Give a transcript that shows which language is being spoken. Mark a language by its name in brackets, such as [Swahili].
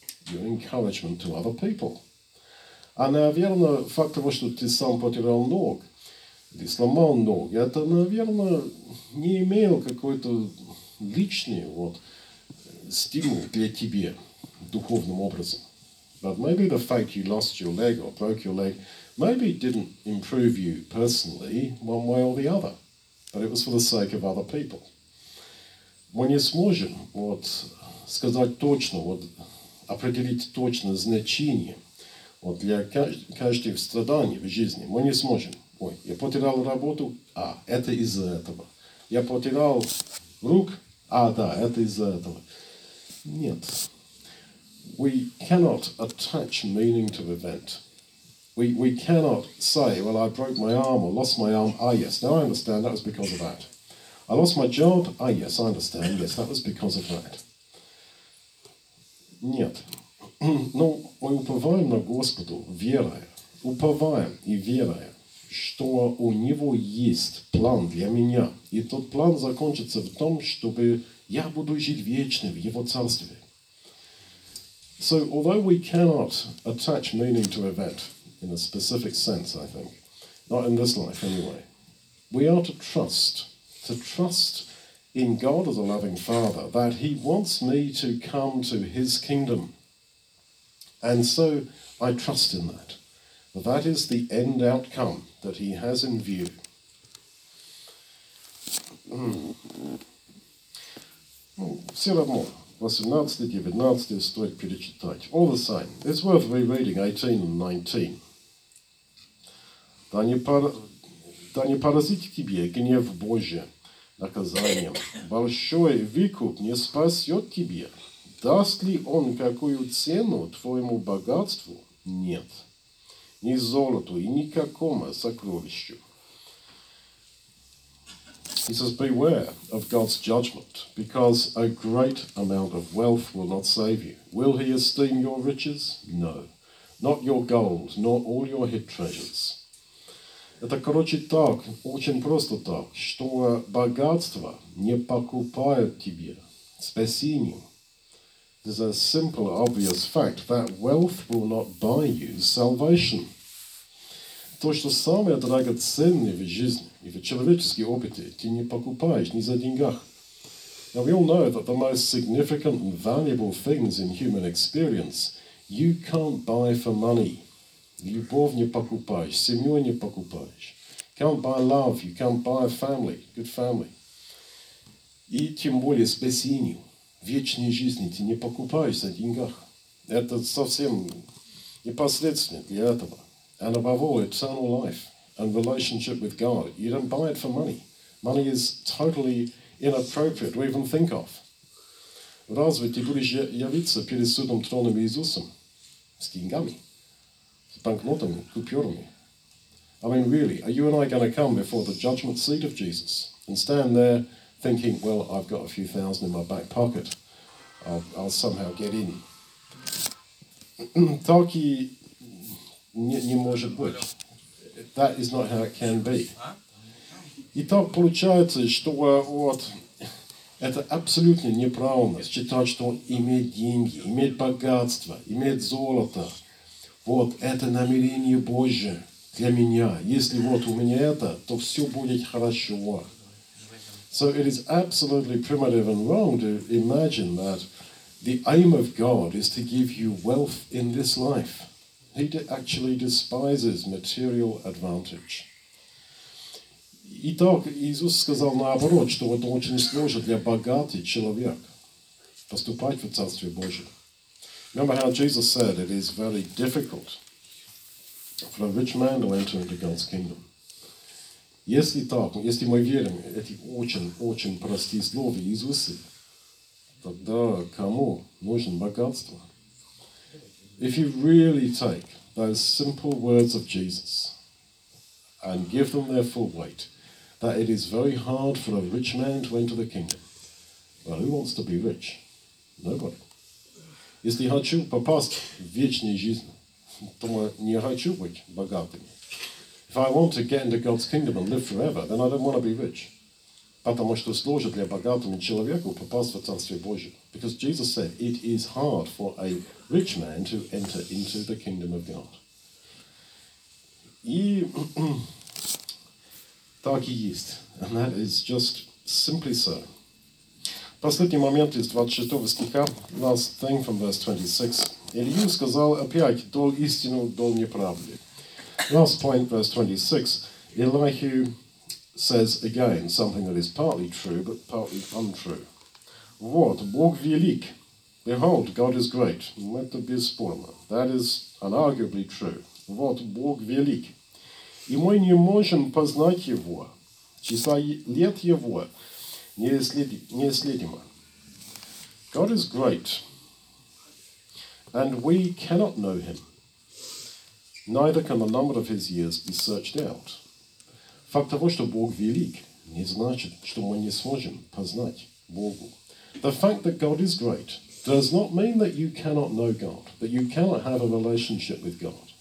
[English] Your encouragement to other people. [Russian] А, наверное, факт того, что ты сам потерял ног, ты сломал ног, это, наверное, не имело какой-то личный вот, стимул для тебя духовным образом. [English] But maybe the fact you lost your leg or broke your leg, maybe it didn't improve you personally one way or the other. But it was for the sake of other people. [Russian] Мы не сможем вот, сказать точно, вот, определить точно значение вот, для каждого страдания в жизни. Мы не сможем. Ой, я потерял работу, а это из-за этого. Я потерял рук, а да, это из-за этого. Нет. [English] We cannot attach meaning to the event. We cannot say, well, I broke my arm or lost my arm. Ah, yes, now I understand that was because of that. I lost my job. Ah, yes, I understand. Yes, that was because of that. [Russian] Нет. Но мы уповаем на Господу верою. Уповаем и верою, что у Него есть план для меня. И тот план закончится в том, чтобы я буду жить вечно в Его Царстве. [English] So, although we cannot attach meaning to event in a specific sense, I think, not in this life anyway, we are to trust. To trust in God as a loving Father, that He wants me to come to His kingdom. And so I trust in that. That is the end outcome that He has in view. [Russian] Все равно, 18-19 стоит перечитать. [English] All the same, it's worth rereading 18 and 19. [Russian] Да не поразит тебе гнев Божий. Наказанием. Большой выкуп не спасет тебя. Даст ли он какую цену твоему богатству? Нет. Ни золоту и никакому сокровищу. [English] He says, beware of God's judgment, because a great amount of wealth will not save you. Will he esteem your riches? No. Not your gold, nor all your hid treasures. [Russian] Это, короче, так, очень просто так, что богатство не покупает тебе спасение. [English] It's a simple, obvious fact that wealth will not buy you salvation. [Russian] то, что самое драгоценное в жизни и в человеческом опыте, ты не покупаешь ни за деньгах. [English] Now, we all know that the most significant and valuable things in human experience you can't buy for money. [Russian] Любовь не покупаешь, семью не покупаешь. [English] Can't buy love, you can't buy a family, good family. [Russian] И тем более спасению, вечной жизни ты не покупаешь за деньгах. Это совсем непосредственно для этого. [English] And above all, eternal life and relationship with God. You don't buy it for money. Money is totally inappropriate to even think of. [Russian] Разве ты будешь явиться перед судом троном Иисусом с деньгами, с банкнотами, купюрами? [English] I mean, really, are you and I going to come before the judgment seat of Jesus and stand there thinking, well, I've got a few thousand in my back pocket, I'll somehow get in? [Russian] Так и не может быть. [English] That is not how it can be. [Russian] И так получается, что вот это абсолютно неправильно считать, что иметь деньги, иметь богатство, иметь золото, вот это намерение Божие для меня. Если вот у меня это, то все будет хорошо. [English] So it is absolutely primitive and wrong to imagine that the aim of God is to give you wealth in this life. He actually despises material advantage. [Russian] Итак, Иисус сказал наоборот, что это очень сложно для богатый человек поступать в Царствие Божие. [English] Remember how Jesus said it is very difficult for a rich man to enter into God's kingdom. [Russian] Если так, если мы верим эти очень-очень простые слова Иисуса, тогда кому нужно богатство? [English] If you really take those simple words of Jesus and give them their full weight, that it is very hard for a rich man to enter the kingdom. Well, who wants to be rich? Nobody. [Russian] Если хочу попасть в вечную жизнь, то не хочу быть богатым. [English] If I want to get into God's kingdom and live forever, then I don't want to be rich. [Russian] Потому что сложно для богатого человека попасть в Царствие Божие. [English] Because Jesus said, it is hard for a rich man to enter into the kingdom of God. [Russian] И так и есть. [English] And that is just simply so. [Russian] Последний момент из 26 стиха. [English] Last thing from verse 26. [Russian] Илью сказал опять, дол истину, дол неправды. [English] Last point, verse 26. Илью says again something that is partly true, but partly untrue. [Russian] Вот, Бог велик. [English] Behold, God is great. [Russian] Это бесспорно. [English] That is unarguably true. [Russian] Вот, Бог велик. И мы не можем познать Его. Числа лет Его неисследимо. [English] God is great. And we cannot know Him. Neither can the number of His years be searched out. [Russian] Факт того, что Бог велик, не значит, что мы не сможем познать Богу. [English] The fact that God is great does not mean that you cannot know God, that you cannot have a relationship with God.